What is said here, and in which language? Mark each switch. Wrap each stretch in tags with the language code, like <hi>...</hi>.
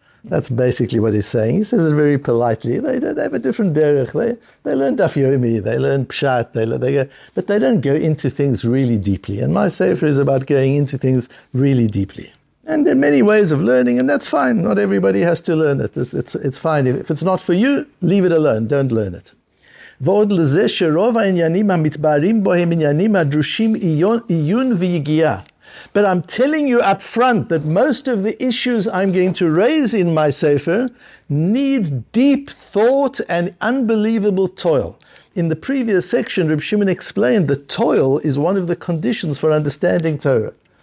<en>That's basically what he's saying. He says it very politely. They have a different derech. They learn daf yomi. They learn pshat. But they don't go into things really deeply. And my sefer is about going into things really deeply. And there are many ways of learning, and that's fine. Not everybody has to learn it. It's fine. If it's not for you, leave it alone. Don't learn it.</en> <he>ועוד לזה שרוב העניינים המתבארים בו הם עניינים הדרושים עיון ויגיעה.</he> <en>But I'm telling you up front that most of the issues I'm going to raise in my sefer need deep thought and unbelievable toil. In the previous section, Reb Shimon explained that toil is one of the conditions for understanding Torah.</en>